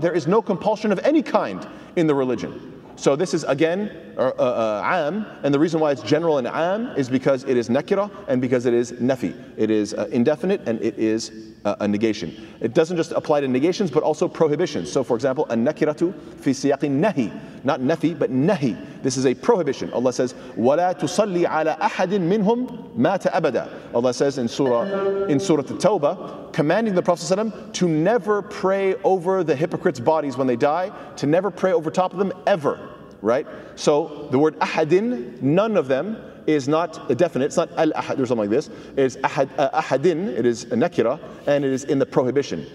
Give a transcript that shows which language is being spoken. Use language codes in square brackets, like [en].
[en] There is no compulsion of any kind in the religion. So this is, again, عام, and the reason why it's general and عام is because it is نكرة and because it is نفي. It is indefinite and it is a negation. It doesn't just apply to negations, but also prohibitions. So for example, [ar] النكرة في سياق النهي, [en] not نفي, but نهي. This is a prohibition. Allah says, [ar] ولا تصلي على أحد منهم مات أبدا. [en] Allah says in Surah At-Tawbah, commanding the Prophet ﷺ to never pray over the hypocrites' bodies when they die, to never pray over top of them ever, right? So the word ahadin, none of them, is not a definite, it's not al-ahad or something like this, it is ahadin, it is a nakira, and it is in the prohibition.